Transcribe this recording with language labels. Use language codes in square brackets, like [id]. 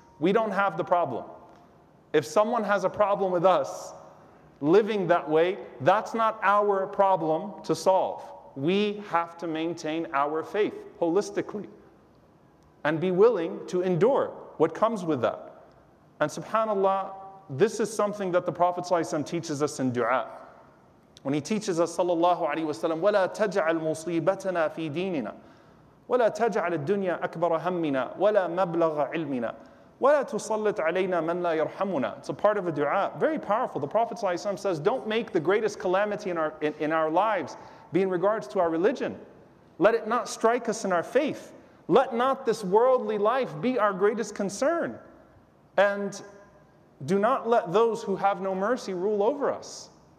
[en] We don't have the problem. If someone has a problem with us living that way, that's not our problem to solve. We have to maintain our faith holistically and be willing to endure what comes with that. And subhanAllah, this is something that the Prophet ﷺ teaches us in dua. When he teaches us, [ar] sallallahu alayhi wa sallam, وَلَا تَجْعَلْ مُصِيبَتَنَا فِي دِينِنَا وَلَا تَجْعَلَ الدُّنْيَا أَكْبَرَ هَمِّنَا وَلَا مَبْلَغَ عِلْمِنَا وَلَا تُصَلِّتْ عَلَيْنَا مَنْ لَا يَرْحَمُنَا. [en] It's a part of a dua, very powerful. The Prophet ﷺ says, don't make the greatest calamity in our lives be in regards to our religion. Let it not strike us in our faith. Let not this worldly life be our greatest concern. And do not let those who have no mercy rule over us.